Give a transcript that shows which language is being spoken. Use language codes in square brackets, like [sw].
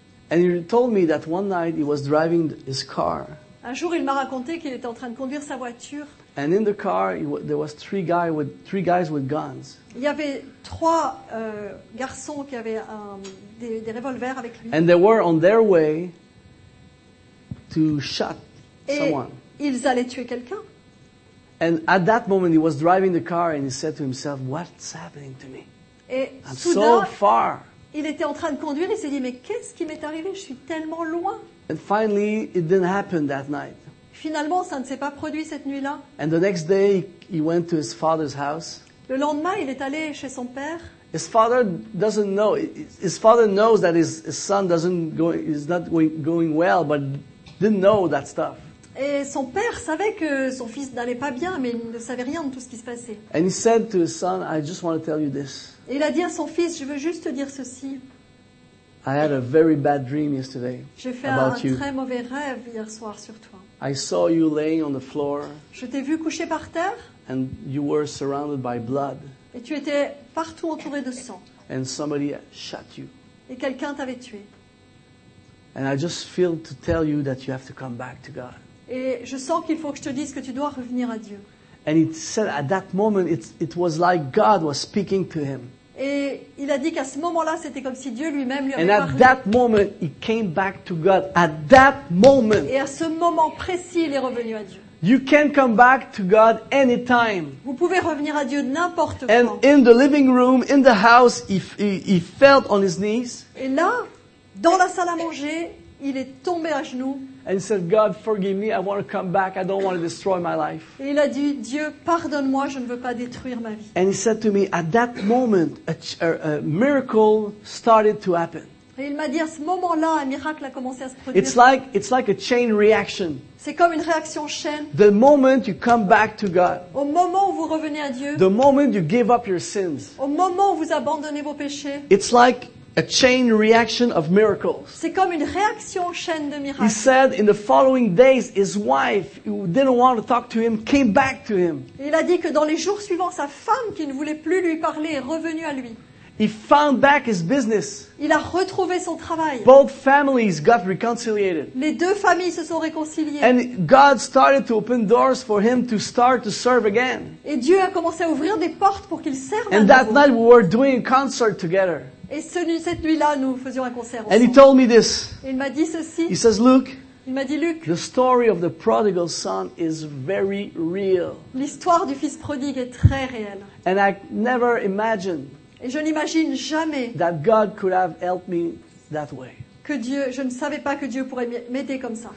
[en] And he told me that one night he was driving his car. [fr] Un jour, il m'a raconté qu'il était en train de conduire sa voiture. [en] And in the car, there was three guys with guns. [fr] Il y avait trois garçons qui avaient des revolvers avec lui. [en] And they were on their way to shoot someone. [fr] Ils allaient tuer quelqu'un. [en] And at that moment, he was driving the car and he said to himself, "What's happening to me? [fr] Et [en] I'm [fr] soudain, [en] so far." [fr] Il était en train de conduire et s'est dit, "Mais qu'est-ce qui m'est arrivé? Je suis tellement loin." [en] And finally, it didn't happen that night. [fr] Finalement, ça ne s'est pas produit cette nuit-là. [en] And the next day, he went to his father's house. [fr] Le lendemain, il est allé chez son père. [en] His father doesn't know. His father knows that his son is not going well, but didn't know that stuff. [fr] Et son père savait que son fils n'allait pas bien, mais il ne savait rien de tout ce qui se passait. [en] And he said to his son, "I just want to tell you this." [fr] Et il a dit à son fils, "Je veux juste te dire ceci." [en] I had a very bad dream yesterday. [fr] J'ai fait [en] about [fr] un [en] you. [fr] Très mauvais rêve hier soir sur toi. [en] I saw you laying on the floor. [fr] Je t'ai vu couché par terre. [en] And you were surrounded by blood. [fr] Et tu étais partout entouré de sang. [en] And somebody shot you. [fr] Et quelqu'un t'avait tué. [en] And I just feel to tell you that you have to come back to God. [fr] Et je sens qu'il faut que je te dise que tu dois revenir à Dieu. [en] And he said at that moment it was like God was speaking to him. [fr] Et il a dit qu'à ce moment-là, c'était comme si Dieu lui-même lui avait parlé. [en] And at that moment, he came back to God. At that moment. [fr] Et à ce moment précis, il est revenu à Dieu. [en] You can come back to God anytime. [fr] Vous pouvez revenir à Dieu n'importe [en] and [fr] quand. [en] And in the living room, in the house, he fell on his knees. [fr] Et là, dans la salle à manger, il est tombé à genoux. [en] And he said, "God, forgive me. I want to come back. I don't want to destroy my life." [fr] Et il a dit, "Dieu, pardonne-moi. Je ne veux pas détruire ma vie." [en] And he said to me, at that moment, a miracle started to happen. [fr] Et il m'a dit, à ce moment-là, un miracle a commencé à se produire. [en] It's like a chain reaction. [fr] C'est comme une réaction chaîne. [en] The moment you come back to God. [fr] Au moment où vous revenez à Dieu. [en] The moment you give up your sins. [fr] Au moment où vous abandonnez vos péchés. [en] It's like a chain reaction of miracles. [fr] C'est comme une réaction chaîne de miracles. [en] He said in the following days, his wife, who didn't want to talk to him, came back to him. [fr] Il a dit que dans les jours suivants, sa femme, qui ne voulait plus lui parler, est revenue à lui. [en] He found back his business. [fr] Il a retrouvé son travail. [en] Both families got reconciliated. [fr] Les deux familles se sont réconciliées. [en] And God started to open doors for him to start to serve again. [fr] Et Dieu a commencé à ouvrir des portes pour qu'il serve. [en] And that night we were doing a concert together. [fr] Et cette nuit-là, nous faisions un concert ensemble. [en] And he told me this. [fr] Il m'a dit ceci. [en] He says, "Luke." [fr] Il m'a dit, "Luc." [en] The story of the prodigal son is very real. [fr] L'histoire du fils prodigue est très réelle. [en] And I never imagined. [fr] Et je n'imagine jamais. [en] That God could have helped me that way. [fr] Que Dieu, je ne savais pas que Dieu pourrait m'aider comme ça.